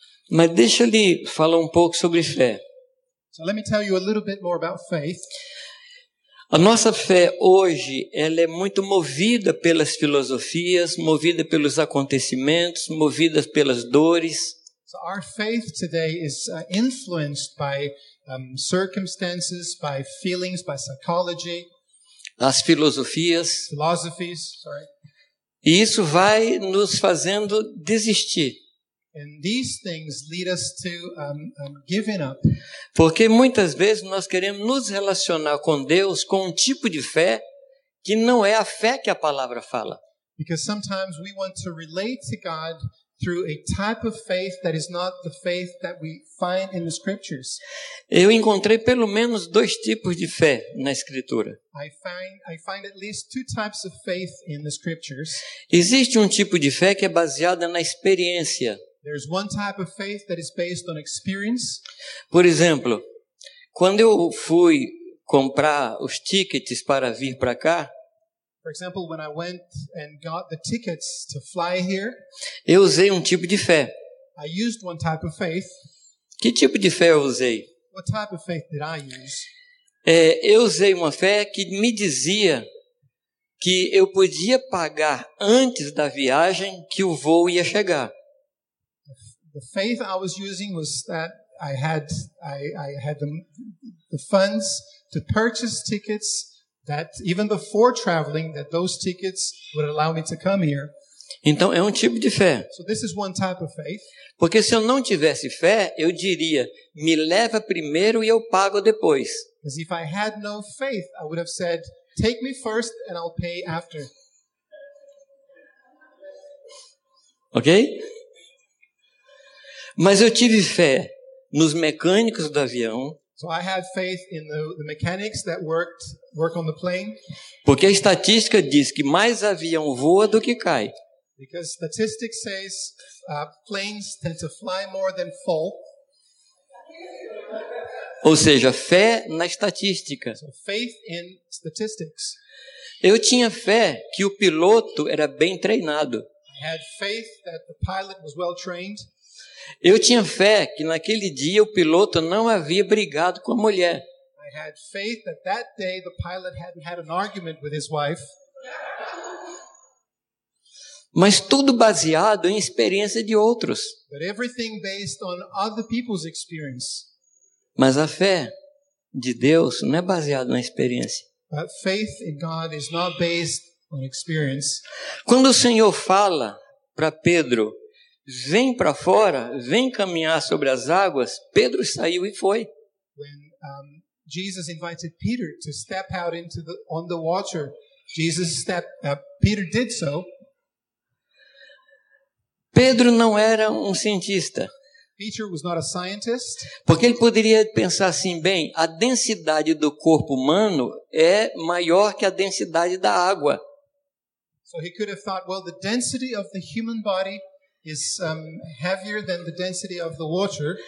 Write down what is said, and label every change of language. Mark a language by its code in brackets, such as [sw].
[pt] Mas deixa eu lhe falar um pouco sobre fé. [en] So let me tell you a little bit more about faith. [pt] A nossa fé hoje, ela é muito movida pelas filosofias, movida pelos acontecimentos, movida pelas dores. [en] So our faith today is influenced by circumstances, by feelings, by psychology. [pt] As filosofias. [en] Philosophies, sorry. [pt] E isso vai nos fazendo desistir. [en] And these things lead us to giving up. [pt] Porque muitas vezes nós queremos nos relacionar com Deus com um tipo de fé que não é a fé que a palavra fala. [en] Because sometimes we want to relate to God through a type of faith that is not the faith that we find in the scriptures. [pt] Eu encontrei pelo menos dois tipos de fé na escritura. [en] I find at least two types of faith in the scriptures. [pt] Existe um tipo de fé que é baseada na experiência. [en] There's one type of faith that is based on experience. [pt] Por exemplo, quando eu fui comprar os tickets para vir para cá, [en] for example, when I went and got the tickets to fly here, [pt] eu usei um tipo de fé. [en] I used one type of faith. [pt] Que tipo de fé eu usei? [en] What type of faith did I use? [pt] Eu usei uma fé que me dizia que eu podia pagar antes da viagem que o voo ia chegar. [en] The faith I was using was that I had the funds to purchase tickets that even before traveling that those tickets would allow me to come here. [pt] Então é um tipo de fé. [en] So this is one type of faith. [pt] Porque se eu não tivesse fé, eu diria, me leva primeiro e eu pago depois. [en] Because if I had no faith, I would have said, take me first and I'll pay after. Ok? [pt] Mas eu tive fé nos mecânicos do avião. [en] So I had faith in the mechanics that work on the plane. [pt] Porque a estatística diz que mais avião voa do que cai. [en] Because statistics says planes tend to fly more than fall. [pt] Ou seja, fé na estatística. [en] So faith in statistics. [pt] Eu tinha fé que o piloto era bem treinado. [en] I had faith that the pilot was well trained. [pt] Eu tinha fé que naquele dia o piloto não havia brigado com a mulher. [en] I had faith that that day the pilot hadn't had an argument with his wife. [pt] Mas tudo baseado em experiência de outros. [en] But everything based on other people's experience. [pt] Mas a fé de Deus não é baseada na experiência. [en] But faith in God is not based on experience. [pt] Quando o Senhor fala para Pedro, vem para fora, vem caminhar sobre as águas, Pedro saiu e foi. [en] When Jesus invited Peter to step out into the on the water, Jesus stepped Peter did so. [pt] Pedro não era um cientista. [en] Peter was not a scientist. [pt] Porque ele poderia pensar assim, bem, a densidade do corpo humano é maior que a densidade da água. [en] So he could have thought, well, the density of the human body is heavier than the density of the water.